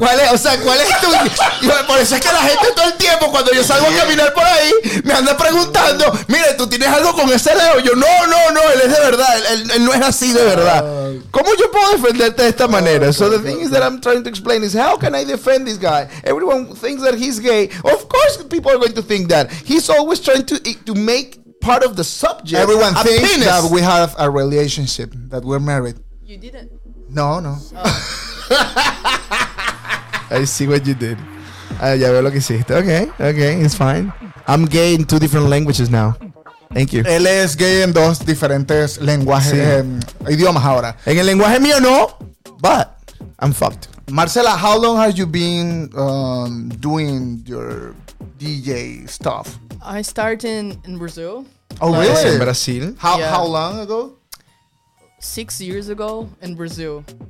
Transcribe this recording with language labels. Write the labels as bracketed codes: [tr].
[es] O sea, ¿cuál es tu...? Yo, por eso es que la gente todo el tiempo, cuando yo salgo a caminar por ahí, me anda preguntando, mire, ¿tú tienes algo con ese Leo? Yo, no, él es de verdad, él no es así de verdad. ¿Cómo yo puedo defenderte de esta manera? [en] Okay, so the thing is that I'm trying to explain is, how can I defend this guy? Everyone thinks that he's gay. Of course people are going to think that. He's always trying to make part of the subject everyone a thinks penis. That we have a relationship, that we're married. You didn't. No. Oh. I see what you did. [es] Ya veo lo que hiciste. [en] Okay, it's fine. I'm gay in two different languages now. Thank you. [es] Él es gay en dos diferentes lenguajes, sí. Idiomas ahora. En el lenguaje mío no, [en] but I'm fucked. Marcela, how long have you been doing your DJ stuff? I started in Brazil. Oh, really? [es] En Brasil. [en] How long ago? 6 years ago in Brazil.